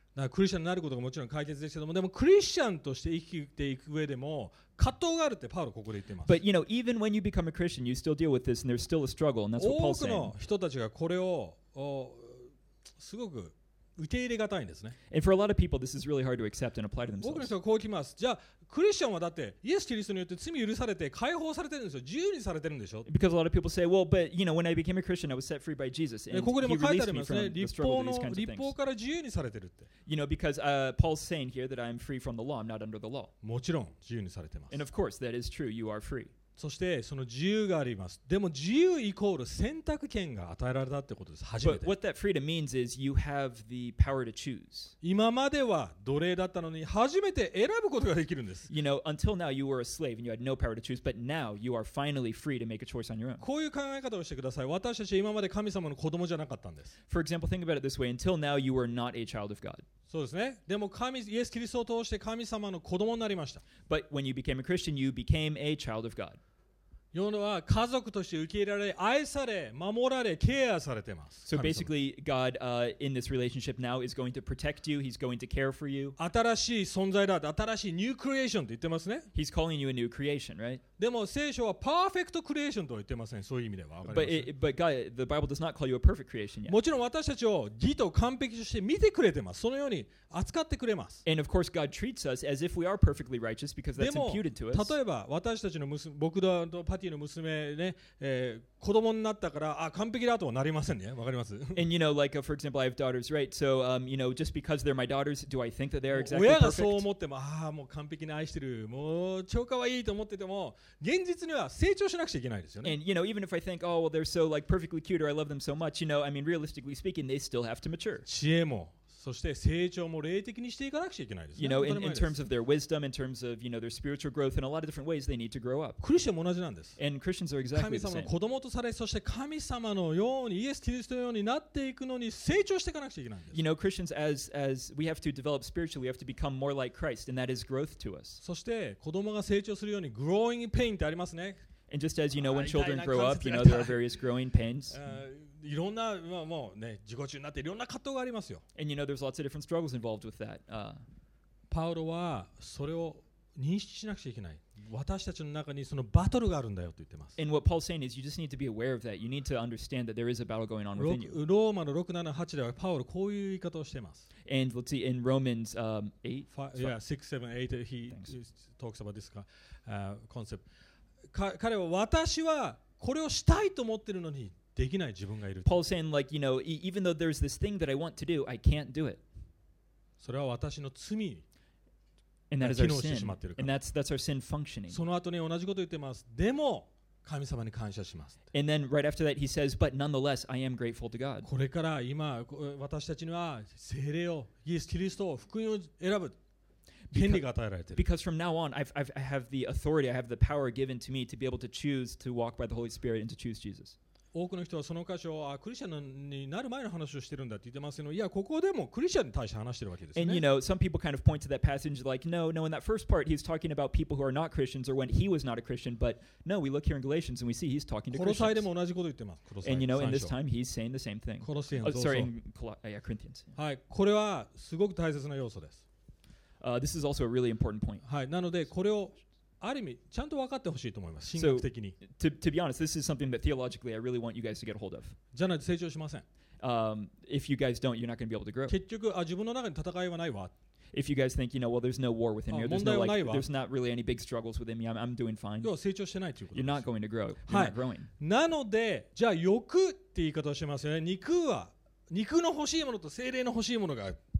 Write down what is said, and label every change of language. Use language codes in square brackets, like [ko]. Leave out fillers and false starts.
[ja] だからクリスチャンになることがもちろん解決ですけども、でもクリスチャンとして生きていく上でも葛藤があるってパウロここで言ってます。 [en] But you know, even when you become a Christian, you still deal with this and there's still a struggle, and that's what Paul's saying. [ja] 多くの人たちがこれをすごく受け入れがたいんですね。 [en] And for a lot of people, this is really hard to accept and apply to themselves. [ja] 多くの人がこう聞きます。じゃあクリスチャンはだってイエス・キリストによって罪許されて解放されてるんですよ。自由にされてるんでしょ。 [en] Because a lot of people say, well, but you know, when I became a Christian, I was set free by Jesus, and [ja] ここでも書いてありますね。 [en] He released me from the struggle of these kinds of things. [ja] 律法から自由にされてるって。 [en] You know, because Paul's saying here that I'm free from the law. I'm not under the law. [ja] もちろん自由にされてます。 [en] And of course, that is true. You are free. [ja] そしてその自由があります。でも自由イコール選択権が与えられたってことです。初めて。 [en] But what that freedom means is you have the power to choose. [ja] 今までは奴隷だったのに初めて選ぶことができるんです。 [en] You know, until now you were a slave and you had no power to choose, but now you are finally free to make a choice on your own. [ja] こういう考え方をしてください。私たちは今まで神様の子供じゃなかったんです。 [en] For example, think about it this way. Until now you were not a child of God. [ja] そうですね。でも神イエス・キリストを通して神様の子供になりました。 [en] But when you became a Christian, you became a child of God. [ja] 世のは家族として受け入れられ、愛され、守られ、ケアされてます。 [en] So basically, God, in this relationship now is going to protect you. He's going to care for you. [ja] 新しい存在だ。新しい [en] new creation [ja] って言ってますね。 [en] He's calling you a new creation, right? [ja] でも聖書はパーフェクトクリエーションと言ってません。そういう意味では。 [en] But God, the Bible does not call you a perfect creation yet. [ja] もちろん私たちを義と完璧として見てくれてます。そのように扱ってくれます。 [en] And of course, God treats us as if we are perfectly righteous because that's imputed to us. [ja] でも、例えば私たちの僕とパティの娘ね、子供になったから、あ、完璧だとはなりませんね。わかります。 [en] And you know, like for example, I have daughters, right? So, you know, just because they're my daughters, do I think that they are exactly perfect? [ja] 親がそう思っても、あ、もう完璧に愛してる、もう超可愛いと思ってても、現実には成長しなくちゃいけないですよね。 [en] And you know, even if I think, oh, well, they're so like perfectly cute or I love them so much, you know, I mean, realistically speaking, they still have to mature. [ja] 知恵も、そして成長も霊的にしていかなくちゃいけないですね。 [en] You know, in terms of their wisdom, in terms of you know their spiritual growth, in a lot of different ways, they need to grow up. [ja] クリスチャンも同じなんです。 [en] And Christians are exactly the same. [ja] 神様の子供とされ、そして神様のようにイエス・キリストのようになっていくのに成長していかなくちゃいけないんです。 [en] You know, Christians, as we have to develop spiritually, we have to become more like Christ, and that is growth to us. [ja] そして子供が成長するように [en] growing pain [ja] ってありますね。 [en] And just as you know, when children grow up, you know, there are various growing pains. [ja] いろんな、まあ、もうね、自己中になっていろんな葛藤がありますよ。 [en] And you know, there's lots of different struggles involved with that. [ja] パウロはそれを認識しなくちゃいけない。私たちの中にそのバトルがあるんだよと言ってます。 [en] And what Paul's saying is you just need to be aware of that. You need to understand that there is a battle going on within you. [ja] ローマの6、7、8ではパウロこういう言い方をしています。 [en] And let's see, in Romans 8? Yeah, 6, 7, 8, he talks about this concept. [ja] 彼は私はこれをしたいと思ってるのに、できない自分がいる。 [en] Paul's saying, like, you know, even though there's this thing that I want to do, I can't do it. [ja] それは私の罪。 [en] And that is our sin. And that's our sin functioning. [ja] その後に同じことを言ってます。でも、神様に感謝します。 [en] And then right after that he says, but nonetheless, I am grateful to God. [ja] これから今、私たちには聖霊を、イエス・キリストを、福音を選ぶ。 [en] Because from now on, I have the authority, I have the power given to me to be able to choose to walk by the Holy Spirit and to choose Jesus. [ja] 多くの人はその箇所をクリスチャンになる前の話をしてるんだって言ってますけど、いや、ここでもクリスチャンに対して話してるわけですね。 [en] And you know, some people kind of point to that passage like, no, in that first part, he's talking about people who are not Christians or when he was not a Christian, but no, we look here in Galatians and we see he's talking to Christians. [ja] コロサイでも同じこと言ってます。 [en] And you know, in this time, he's saying the same thing. [ja] コロサイの、 [en] sorry, in Corinthians. [ja] はい、これはすごく大切な要素です。 [en] This is also a really important point. [ja] はい、なのでこれをある意味ちゃんと分かってほしいと思います。神学的に。 [en] To be honest, this is something that theologically I really want you guys to get a hold of. [ja] じゃないと成長しません。 [en] If you guys don't, you're not going to be able to grow. [ja] 結局、あ、自分の中に戦いはないわ。 [en] If you guys think, you know, well, there's no war within me, there's not really any big struggles within me, I'm doing fine. [ja] 要は成長してないということです。 [en] You're not going to grow. You're not growing. [ja] なので、じゃあ欲って言い方をしますよね。肉は、肉の欲しいものと精霊の欲しいものが。